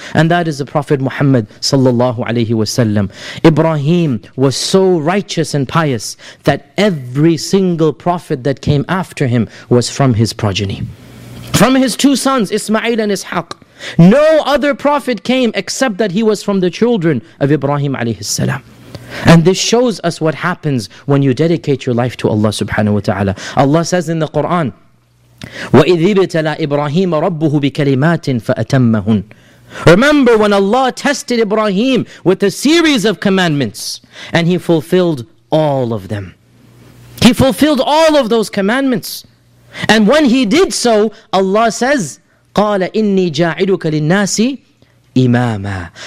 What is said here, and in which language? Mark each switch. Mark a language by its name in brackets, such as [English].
[English] And that is the Prophet Muhammad sallallahu alayhi wasallam. Ibrahim was so righteous and pious that every single prophet that came after him was from his progeny. From his 2 sons, Ismail and Ishaq. No other prophet came except that he was from the children of Ibrahim alayhi salam. And this shows us what happens when you dedicate your life to Allah subhanahu wa ta'ala. Allah says in the Quran, [Arabic] وَإِذْ ابْتَلَى إِبْرَاهِيمَ رَبُّهُ بِكَلِمَاتٍ فَأَتَمَّهُنَّ. [English] Remember when Allah tested Ibrahim with a series of commandments, and he fulfilled all of them. He fulfilled all of those commandments. And when he did so, Allah says, [Arabic] قَالَ إِنِّي جَاعِلُكَ لِلنَّاسِ إِمَامًا.